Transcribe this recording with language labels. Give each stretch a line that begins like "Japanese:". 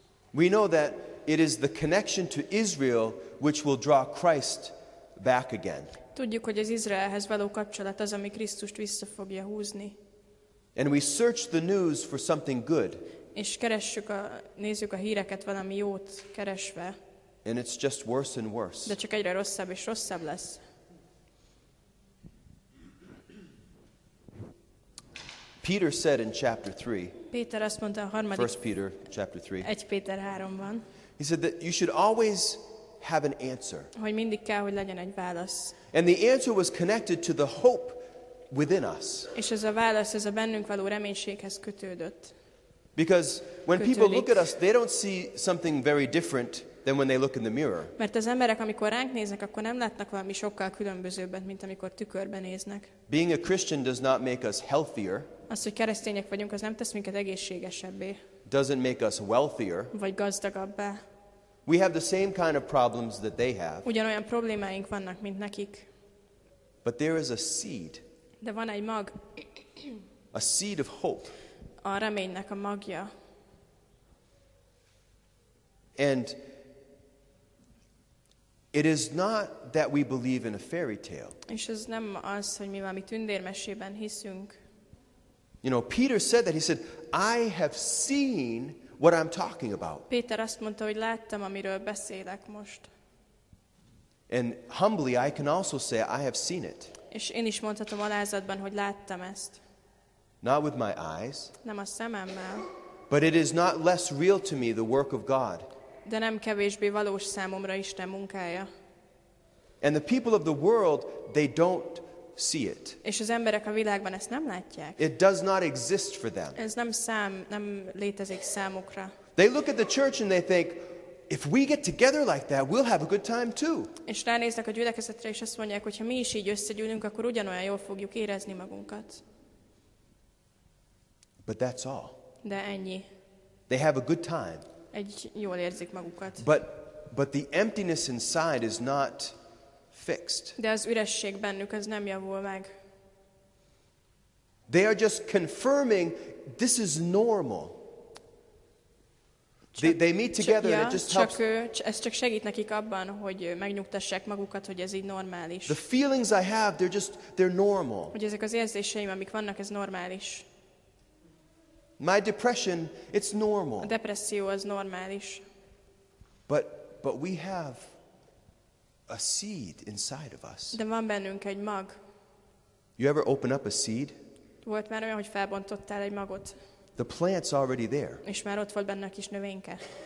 English: We know that it is the connection to Israel which will draw Christ back again.
Hungarian: Tudjuk, hogy az Izraelhez való kapcsolat az, ami Krisztust vissza fogja húzni.
English: And we search the news for something good.
Hungarian: És keressük a, nézzük a híreket valami jót keresve.
English: And it's just worse and worse.
Hungarian: De csak egyre rosszabb és rosszabb lesz.
English: Peter said in chapter 3.
Hungarian: Péter azt mondta a harmadik.
English: 1 Peter chapter 3.
Hungarian: 1 Péter 3-ban.
English: He said that you should always have an answer.
Hungarian: Hogy mindig kell, hogy legyen egy válasz.
English: And the answer was connected to the hope within us.
Hungarian: És ez a válasz, ez a bennünk való reménységhez kötődött.
English: Because when people look at us, they don't see something very different than when they look in the mirror.
Hungarian: Mert az emberek, amikor ránk néznek, akkor nem látnak valami sokkal különbözőbbet, mint amikor tükörbe néznek.
English: Being a Christian does not make us healthier.
Hungarian: Az, hogy keresztények vagyunk, az nem tesz minket egészségesebbé.
English: Doesn't make us wealthier.
Hungarian: Vagy gazdagabbá.
English: We have the same kind of problems that they have.
Hungarian: Ugyanolyan problémáink vannak, mint nekik.
English: But there is a seed.
Hungarian: De van egy mag.
English: A seed of hope.
Hungarian: A reménynek a magja.
English: And it is not that we believe in a fairy tale.
Hungarian: És ez nem az, hogy mi valami tündérmesében hiszünk.
English: You know, Peter said that. He said, "I have seen what I'm talking about."
Hungarian: Péter azt mondta, hogy láttam, amiről beszélek most.
English: And humbly, I can also say, "I have seen it."
Hungarian: És én is mondhatom alázatban, hogy láttam ezt.
English: Not with my eyes.
Hungarian: Nem a szememmel.
English: But it is not less real to me the work of God.
Hungarian: De nem kevésbé valós számomra Isten munkája.
English: And the people of the world, they don't see it.
Hungarian: És az emberek a világban ezt nem látják.
English: It does not exist for them.
Hungarian: Ez nem szám, nem létezik számukra.
English: They look at the church and they think, if we get together like that, we'll have a good time too.
Hungarian: És ránéznek a gyülekezetre és azt mondják, hogy ha mi is így összegyűlünk, akkor ugyanolyan jól fogjuk érezni magunkat.
English: But that's all.
Hungarian: De ennyi.
English: They have a good time.
Hungarian: Egy jól érzik magukat.
English: But the emptiness inside is not fixed.
Hungarian: De az üresség bennük az nem javul meg.
English: They are just confirming this is normal. They meet together and it just helps.
Hungarian: Ez csak segít nekik abban, hogy megnyugtassák magukat, hogy ez így normális.
English: The feelings I have, they're normal.
Hungarian: Hogy ezek az érzéseim, amik vannak, ez normális.
English: My depression, it's normal.
Hungarian: A depresszió az normális.
English: But we have a seed inside of us.
Hungarian: De van bennünk egy mag.
English: You ever open up a seed?
Hungarian: Volt már olyan, hogy felbontottál egy magot.
English: The plant's already there.
Hungarian: És már ott volt benne a kis növényke.